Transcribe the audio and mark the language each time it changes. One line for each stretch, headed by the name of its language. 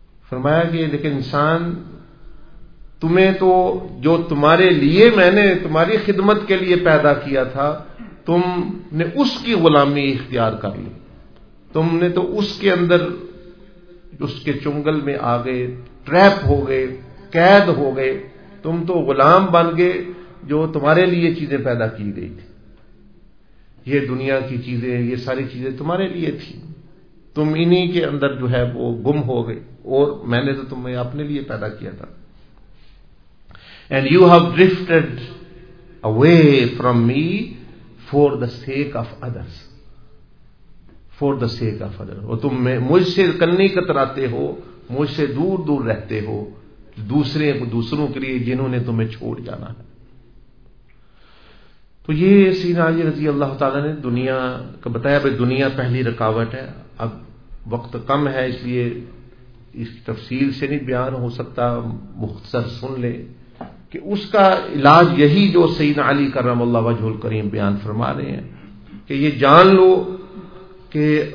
Urdu: فرمایا کہ دیکھیں انسان تمہیں تو جو تمہارے لیے میں نے تمہاری خدمت کے لیے پیدا کیا تھا تم نے اس کی غلامی اختیار کر لی, تم نے تو اس کے اندر اس کے چنگل میں آ گئے, ٹریپ ہو گئے, قید ہو گئے, تم تو غلام بن گئے جو تمہارے لیے چیزیں پیدا کی گئی تھی. یہ دنیا کی چیزیں, یہ ساری چیزیں تمہارے لیے تھیں, تم انہی کے اندر جو ہے وہ گم ہو گئے, اور میں نے تو تمہیں اپنے لیے پیدا کیا تھا.
English: And you have drifted away from me for the sake of others, for the sake of other.
Urdu: اور تم مجھ سے کنی کتراتے ہو, مجھ سے دور دور رہتے ہو, دوسروں کے لیے جنہوں نے تمہیں چھوڑ جانا ہے. تو یہ سیدنا علی رضی اللہ تعالی نے دنیا کا بتایا. بھائی دنیا پہلی رکاوٹ ہے. اب وقت کم ہے اس لیے اس کی تفصیل سے نہیں بیان ہو سکتا, مختصر سن لے کہ اس کا علاج یہی جو سیدنا علی کرم اللہ وجہ الکریم بیان فرما رہے ہیں کہ یہ جان لو کہ